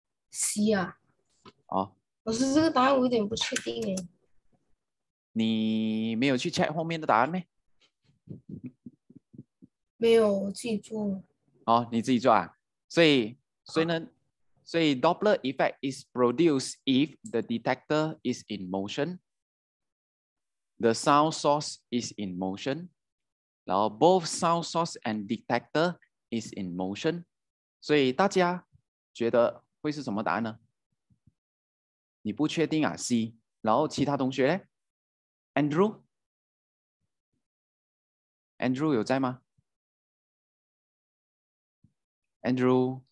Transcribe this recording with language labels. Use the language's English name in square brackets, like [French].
[Chinese] C 啊，哦，可是这个答案我有点不确定耶。你没有去 check 后面的答案吗？没有，我自己做。哦，你自己做啊。所以 [English] Doppler effect is produced if the detector is in motion, the sound source is in motion, [Chinese] 然后 [English] both sound source and detector is in motion. [Chinese] 所以大家觉得会是什么答案呢？你不确定啊 ，C。然后其他同学呢 ？Andrew 有在吗 ？Andrew